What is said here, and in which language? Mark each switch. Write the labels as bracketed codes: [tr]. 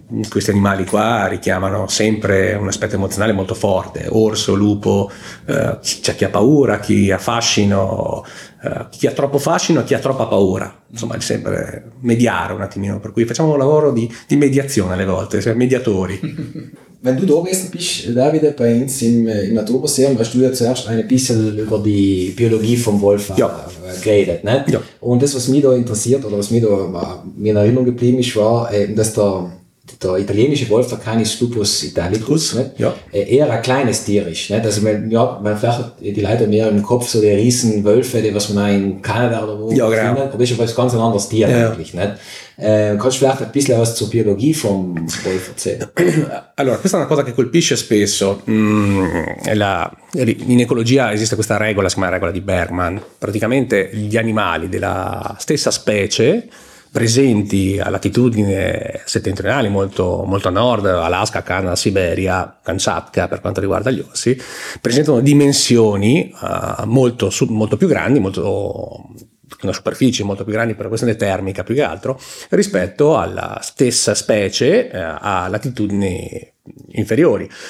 [it] Questi animali qua richiamano sempre un aspetto emozionale molto forte, orso, lupo, c'è chi ha paura, chi ha fascino, chi ha troppo fascino e chi ha troppa paura, insomma è sempre mediare un attimino, per cui facciamo un lavoro di mediazione alle volte, siamo mediatori. [de] wenn du da gewesen bist, da wieder bei uns im Naturmuseum, hast du ja zuerst ein bisschen über die Biologie vom Wolf geredet. Ne? Ja. Und das, was mich da interessiert oder was mir in Erinnerung geblieben ist, war eben, dass der italienische Wolf, der Canis lupus italicus, ne? Ja. Eher ein kleines Tier ist. Ne? Also man vielleicht die Leute mehr im Kopf, so die riesen Wölfe, die was man in Kanada oder wo finden, aber das ist ein ganz anderes Tier eigentlich. Ne? Kannst du vielleicht ein bisschen was zur Biologie vom Wolf erzählen? [it] Allora, questa è una cosa che colpisce spesso. In ecologia esiste questa regola, si chiama regola di Bergman. Praticamente gli animali della stessa specie presenti a latitudine settentrionale, molto, molto a nord, Alaska, Canada, Siberia, Kamchatka per quanto riguarda gli orsi, presentano dimensioni molto più grandi, una superficie molto più grande per la questione termica più che altro, rispetto alla stessa specie a latitudini inferiori.